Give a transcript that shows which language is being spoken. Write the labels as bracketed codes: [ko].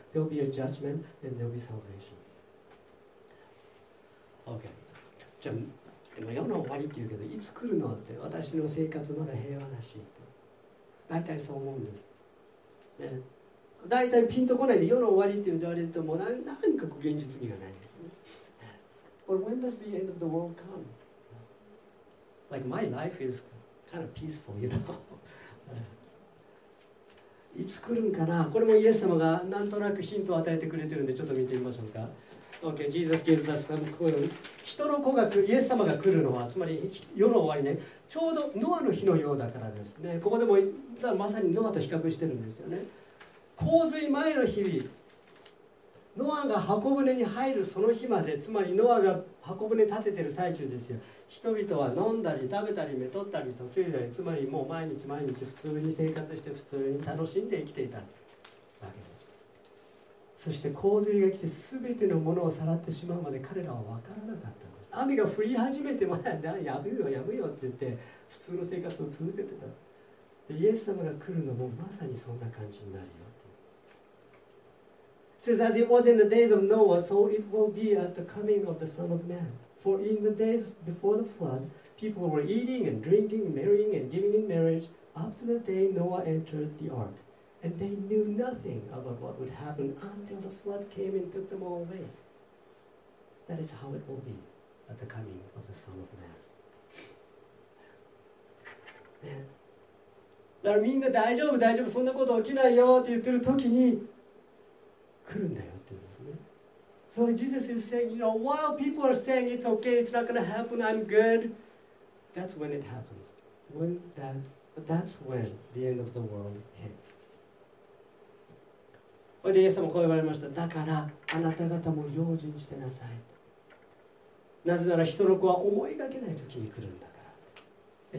[en] There will be a judgment and there will be salvation. Okay. [ja] じゃあ、でも世の終わりっていうけど、いつ来るのって、私の生活まだ平和だしって。大体そう思うんです。ね。だいたいピンとこないで、世の終わりって言われても何か現実味がないですね。 [en] Or when does the end of the world come? Like my life is kind of peaceful, you know? [ja] いつ来るんかな。これもイエス様がなんとなくヒントを与えてくれてるんで、ちょっと見てみましょうか。 [en] Okay, Jesus gives us some clue. [ja] 人の子がイエス様が来るのは、つまり世の終わりね、ちょうどノアの日のようだからですね。ここでもまさにノアと比較してるんですよね。洪水前の日々、ノアが箱舟に入るその日まで、つまりノアが箱舟立ててる最中ですよ。人々は飲んだり食べたり目取ったりとついたり、つまりもう毎日毎日普通に生活して普通に楽しんで生きていたわけです。そして洪水が来て全てのものをさらってしまうまで彼らは分からなかったんです。雨が降り始めても、やぶよやぶよって言って普通の生活を続けてた。でイエス様が来るのもまさにそんな感じになるよ。 [en] Says, as it was in the days of Noah, so it will be at the coming of the Son of Man. For in the days before the flood, people were eating and drinking, marrying and giving in marriage, up to the day Noah entered the ark. And they knew nothing about what would happen until the flood came and took them all away. That is how it will be at the coming of the Son of Man. [ja] だからみんな大丈夫大丈夫、そんなこと起きないよって言ってる時に来るんだよって言うんですね。 [en] So Jesus is saying, you know, while people are saying it's okay, it's not going to happen, I'm good, that's when it happens. When that But that's when the end of the world hits. [ja] それでイエス様はこう言われました。だからあなた方も用心してなさい。なぜなら人の子は思いがけない時に来るんだから。